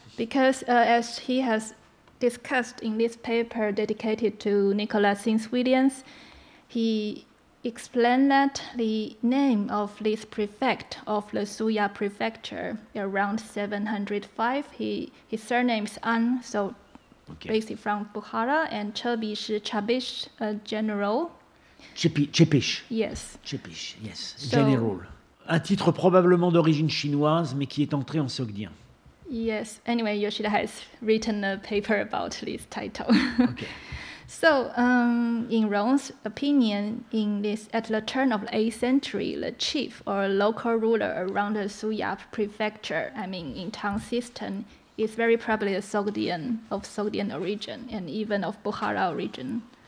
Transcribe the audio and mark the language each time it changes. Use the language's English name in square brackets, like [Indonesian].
[English] Because as he has discussed in this paper dedicated to Nicholas Sings Williams, he explained that the name of this prefect of the Suya prefecture around 705, his surname is An, so okay. Basically from Bukhara, and Chabish, Chabish, a general. Chipish. Yes. Chipish, yes. So, general. [French] Un titre probablement d'origine chinoise, mais qui est entré en Sogdien. [English] Yes. Anyway, Yoshida has written a paper about this title. Okay. So, in Rong's opinion, in this at the turn of the 8th century, the chief or local ruler around the Suyap prefecture, I mean in Tang system, is very probably a Sogdian of Sogdian origin and even of Bukhara origin.